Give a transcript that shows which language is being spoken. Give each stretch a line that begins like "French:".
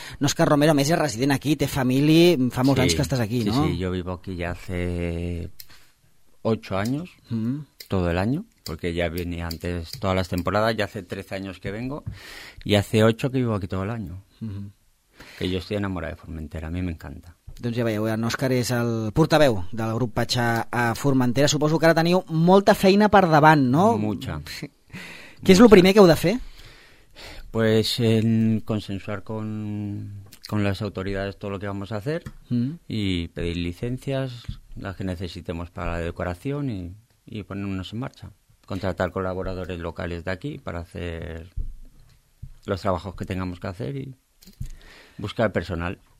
Catalan: No, Òscar Romero, a més, és resident aquí, té família, fa molts anys que estàs aquí, sí, no?
Spanish: Sí, jo vivo aquí ya hace 8 años, todo el año, porque ya venía antes todas las temporadas, ya hace 13 años que vengo, y hace 8 que vivo aquí todo el año. Que yo estoy enamorado de Formentera, a mí me encanta.
Catalan: Doncs ja veieu, en Òscar és el portaveu del grup Pachá a Formentera. Suposo que ara teniu molta feina per davant, no?
Spanish: Mucha.
Catalan: Què és el primer que heu de fer?
Spanish: Pues consensuar con las autoridades todo lo que vamos a hacer y pedir licencias, las que necesitemos para la decoración y y ponernos en marcha. Contratar colaboradores locales de aquí para hacer los trabajos que tengamos que hacer y buscar personal.